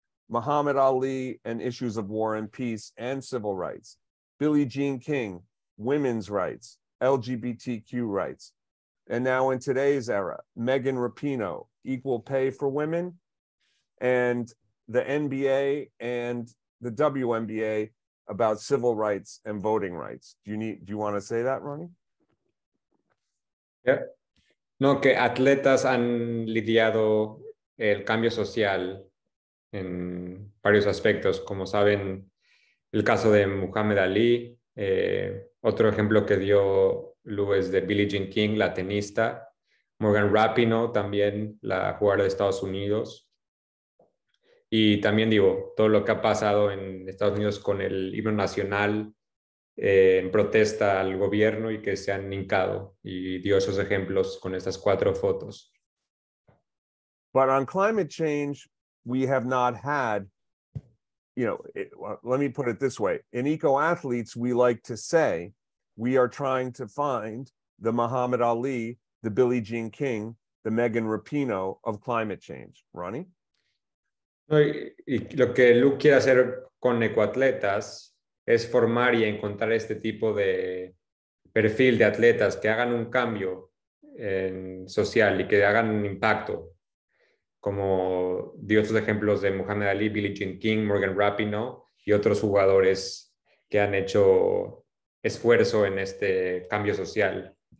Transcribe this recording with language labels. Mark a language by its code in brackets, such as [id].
[en] Muhammad Ali and issues of war and peace and civil rights, Billie Jean King, women's rights, LGBTQ rights. And now in today's era, Megan Rapinoe, equal pay for women, and the NBA and the WNBA about civil rights and voting rights. Do you want to say that, Ronnie? Yeah. [es] No, que atletas han lidiado el cambio social en varios aspectos. Como saben, el caso de Muhammad Ali, otro ejemplo que dio Lu es de Billie Jean King, la tenista. Morgan Rapinoe, también la jugadora de Estados Unidos. Y también digo, todo lo que ha pasado en Estados Unidos con el himno nacional en protesta al gobierno y que se han hincado. Y dio esos ejemplos con estas cuatro fotos. [en] But on climate change, we have not had, you know, it, well, let me put it this way. In EcoAthletes, we like to say we are trying to find the Muhammad Ali, the Billie Jean King, the Megan Rapinoe of climate change. Ronnie? [es] Y lo que Luke quiere hacer con EcoAtletas es formar y encontrar este tipo de perfil de atletas que hagan un cambio en social y que hagan un impacto, como dio estos ejemplos de Muhammad Ali, Billie Jean King, Morgan Rapinoe y otros jugadores que han hecho esfuerzo en este cambio social.